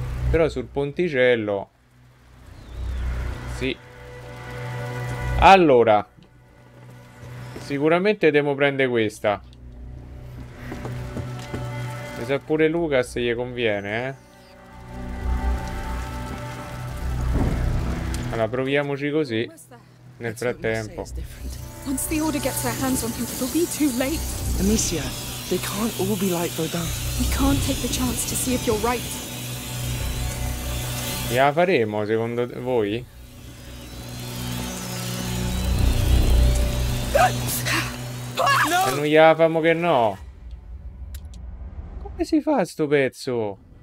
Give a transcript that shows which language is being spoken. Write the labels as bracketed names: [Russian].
[Italian] Però sul ponticello. Sì. Allora. Sicuramente devo prendere questa. Mi sa pure Lucas gli conviene, eh. Allora proviamoci così. Nel frattempo. [English] Once the order gets their hands on him, it'll be too late. Amicia, they can't all be like Rodan. We can't take the chance to see if you're right. [Italian] Gliela faremo secondo voi? Se non gliela famo che no. Come si fa sto pezzo?